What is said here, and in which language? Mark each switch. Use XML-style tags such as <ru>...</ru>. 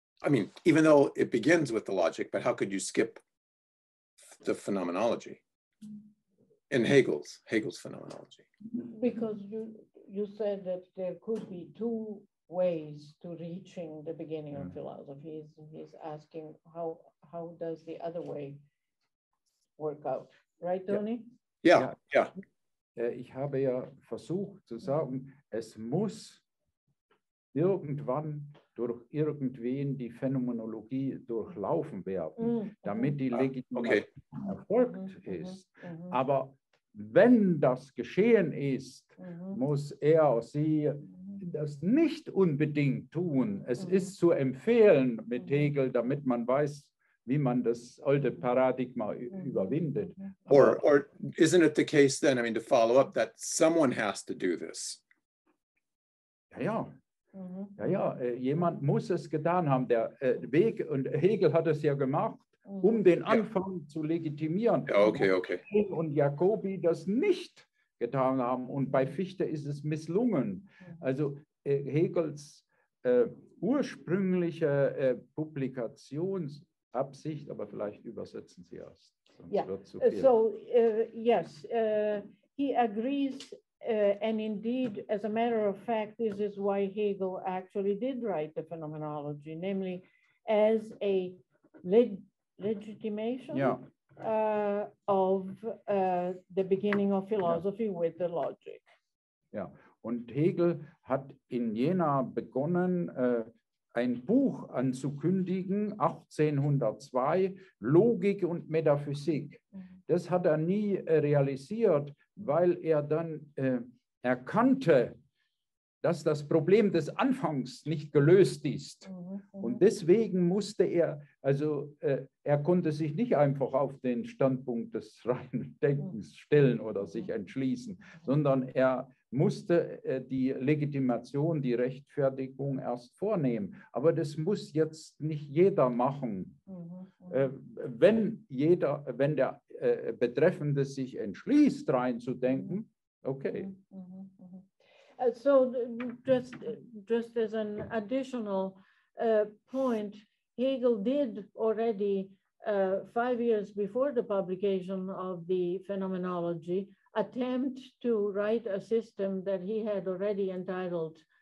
<en>I mean, even though it begins with the logic, but how could you skip the phenomenology in Hegel's phenomenology? Because you said that there could be two ways to reaching the beginning of philosophy. He's asking how does the other way work out, right, Tony? Yeah.</en> <de>Ich habe ja versucht zu sagen, es muss irgendwann durch irgendwen die Phänomenologie durchlaufen werden, damit die Legitimation erfolgt ist. Aber wenn das geschehen ist, muss er oder sie das nicht unbedingt tun. Es ist zu empfehlen mit Hegel, damit man weiß, wie man das alte Paradigma überwindet.</de> <en>Or isn't it the case then, I mean, to follow up, that someone has to do this?</en> <de>Ja, jemand muss es getan haben. Der Weg, und Hegel hat es ja gemacht, um den Anfang zu legitimieren. Ja, okay. Und Jacobi das nicht getan haben. Und bei Fichte ist es misslungen. Also Hegels ursprüngliche Publikations Absicht, aber vielleicht übersetzen Sie erst. Sonst wird zu viel.</de> <en>So, he agrees, and indeed, as a matter of fact, this is why Hegel actually did write the phenomenology, namely as a legitimation of the beginning of philosophy with the logic.</en> <de>Ja, und Hegel hat in Jena begonnen, ein Buch anzukündigen, 1802, Logik und Metaphysik. Das hat er nie realisiert, weil er dann erkannte, dass das Problem des Anfangs nicht gelöst ist. Und deswegen musste er, also er konnte sich nicht einfach auf den Standpunkt des reinen Denkens stellen oder sich entschließen, sondern er musste die Legitimation, die Rechtfertigung erst vornehmen. Aber das muss jetzt nicht jeder machen. Wenn jeder, wenn der Betreffende sich entschließt, reinzudenken, okay.</de> <en>So just as an additional point, Hegel did already 5 years before the publication of the Phenomenology attempt to write a system that he had already entitled</en>